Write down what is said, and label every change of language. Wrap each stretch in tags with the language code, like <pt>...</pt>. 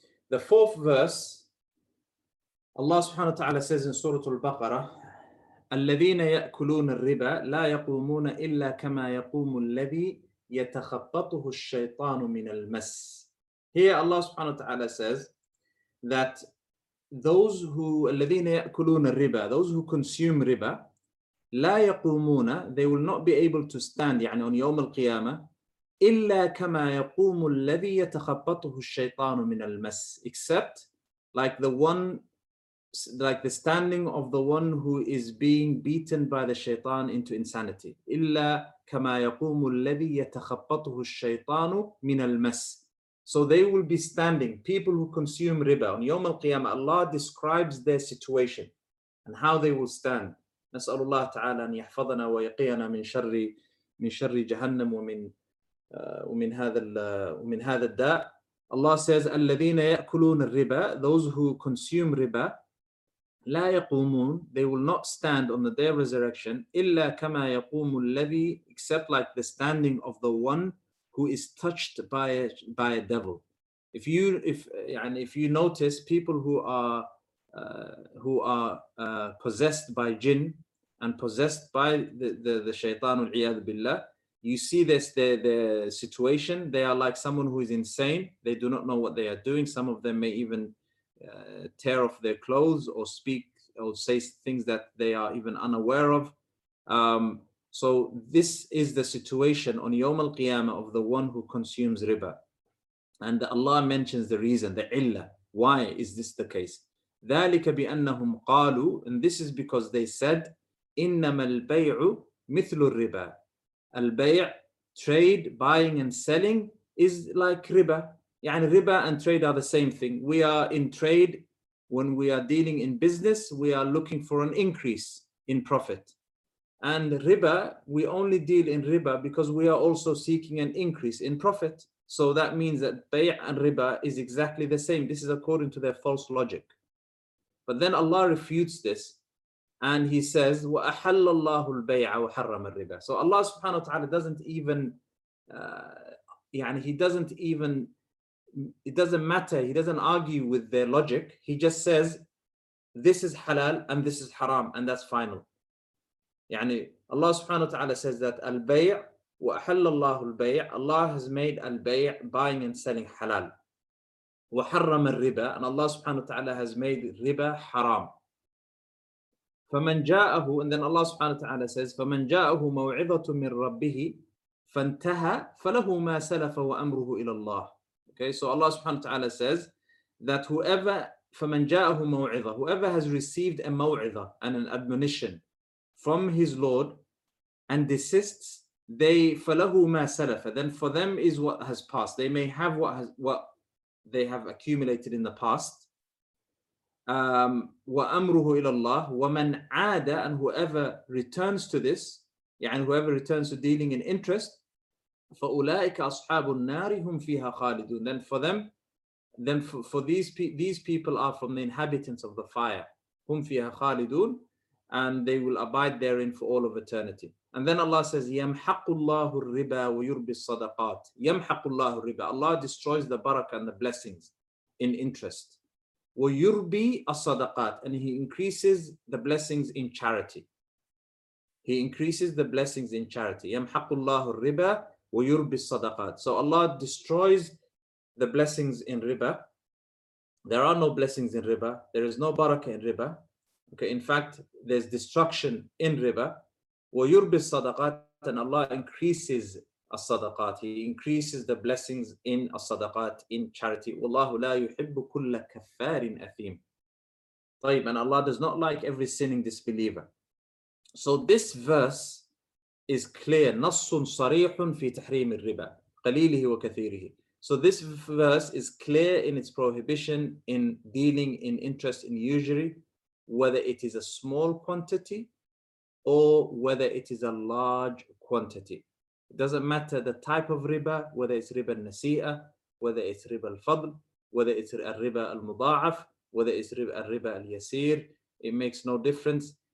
<en>The fourth verse, Allah subhanahu wa ta'ala says in Surah Al-Baqarah,</en> <ar>الَّذِينَ يَأْكُلُونَ الرِّبَى لَا يَقُومُونَ إِلَّا كَمَا يَقُومُ الَّذِي يَتَخَبَّطُهُ الشَّيْطَانُ مِنَ الْمَسِ.</ar> <en>Here Allah subhanahu wa ta'ala says that those who,</en> <ar>الَّذِينَ يَأْكُلُونَ الرِّبَى,</ar> <en>those who consume riba,</en> <ar>لَا يَقُومُونَ,</ar> <en>they will not be able to stand, يعني on يوم القيامة,</en> <ar>إِلَّا كَمَا يَقُومُ الَّذِي يَتَخَبَّطُهُ الشَّيْطَانُ مِنَ الْمَسِ,</ar> <en>except like the one, like the standing of the one who is being beaten by the shaitan into insanity.</en> <ar>إِلَّا كَمَا يَقُومُ الَّذِي يَتَخَبَّطُهُ الشَّيْطَانُ مِنَ الْمَسِ.</ar> <en>So they will be standing, people who consume riba. On يوم القيامة, Allah describes their situation and how they will stand.</en> <ar>نسأل الله تعالى أن يحفظنا ويقينا من شر جهنم ومن ومن هذا الداء.</ar> <en>Allah says,</en> <ar>الَّذِينَ يَأْكُلُونَ الرِّبَى,</ar> <en>those who consume riba,</en> <ar>لا يقومون,</ar> <en>they will not stand on the day of resurrection,</en> <ar>إلا كما يقوم الذي,</ar> <en>except like the standing of the one who is touched by a devil. If you notice people who are possessed by jinn and possessed by the shaytan</en> <ar>والعياذ بالله,</ar> <en>you see this, their situation, they are like someone who is insane. They do not know what they are doing. Some of them may even tear off their clothes or speak or say things that they are even unaware of. So this is the situation on Yawm al-Qiyamah of the one who consumes riba. And Allah mentions the reason, the illah. Why is this the case?</en> <ar>ذَلِكَ بِأَنَّهُمْ قَالُوا,</ar> <en>and this is because they said,</en> <ar>إِنَّمَا الْبَيْعُ مِثْلُ الرِّبَى.</ar> <en>Al-bay' trade, buying and selling, is like riba. يعني riba and trade are the same thing. We are in trade, when we are dealing in business, we are looking for an increase in profit. And riba, we only deal in riba because we are also seeking an increase in profit. So that means that bay' and riba is exactly the same. This is according to their false logic. But then Allah refutes this. And he says,</en> <ar>وَأَحَلَّ اللَّهُ الْبَيْعَ وَحَرَّمَ الرِّبَى.</ar> <en>So Allah subhanahu wa ta'ala doesn't argue with their logic. He just says, this is halal and this is haram, and that's final.</en> <ar>يعني Allah subhanahu wa ta'ala</ar> <en>says that</en> <ar>الْبَيْعَ وَأَحَلَّ اللَّهُ الْبَيْعَ.</ar> <en>Allah has made al-bay' buying and selling halal.</en> <ar>وَحَرَّمَ الرِّبَى.</ar> <en>And Allah subhanahu wa ta'ala has made riba haram.</en> <ar>فَمَنْ جَاءَهُ,</ar> <en>and then Allah subhanahu wa ta'ala says,</en> <ar>فَمَنْ جَاءَهُ مَوْعِظَةٌ مِنْ رَبِّهِ فَانْتَهَى فَلَهُ مَا سَلَفَ وَأَمْرُهُ إِلَى اللَّهِ.</ar> <en>Okay, so Allah subhanahu wa ta'ala says that whoever has received a maw'idha and an admonition from his Lord and desists, they</en> <ar>فَلَهُ مَا سَلَفَ,</ar> <en>then for them is what has passed. They may have what they have accumulated in the past.</en> <ar>وَأَمْرُهُ إِلَى اللَّهِ وَمَنْ عَادَ,</ar> <en>and whoever returns to this,</en> <ar>يعني</ar> <en>whoever returns to dealing in interest,</en> <ar>فَأُولَٰئِكَ أَصْحَابُ النَّارِ هُمْ فِيهَا خَالِدُونَ.</ar> <en>Then for these people are from the inhabitants of the fire,</en> <ar>هُمْ فِيهَا خَالِدُونَ,</ar> <en>and they will abide therein for all of eternity. And then Allah says,</en> <ar>يَمْحَقُ اللَّهُ الرِّبَى وَيُرْبِي الصَّدَقَاتِ. يَمْحَقُ اللَّهُ الرِّبَى,</ar> <en>Allah destroys the barakah and the blessings in interest.</en> <ar>وَيُرْبِي الصَّدَقَاتِ,</ar> <en>and he increases the blessings in charity. He increases the blessings in charity.</en> <ar>يَمْحَقُ اللَّهُ الرِّبَى وَيُرْبِي الصَّدَقَاتِ.</ar> <en>So Allah destroys the blessings in riba. There are no blessings in riba. There is no barakah in riba. Okay, in fact, there's destruction in riba.</en> <ar>وَيُرْبِي الصَّدَقَاتِ,</ar> <en>and Allah increases الصدقات. He increases the blessings in الصدقات, in charity.</en> <ar>والله لا يحب كل كفار أثيم.</ar> <en>طيب, and Allah does not like every sinning disbeliever. So this verse is clear.</en> <ar>نص صريح في تحريم الربا قليله وكثيره.</ar> <en>So this verse is clear in its prohibition in dealing in interest in usury, whether it is a small quantity or whether it is a large quantity. It doesn't matter the type of riba, whether it's riba al-nasi'ah, whether it's riba al-fadl, whether it's riba al-muda'af, whether it's riba al-yasir, it makes no difference.</en>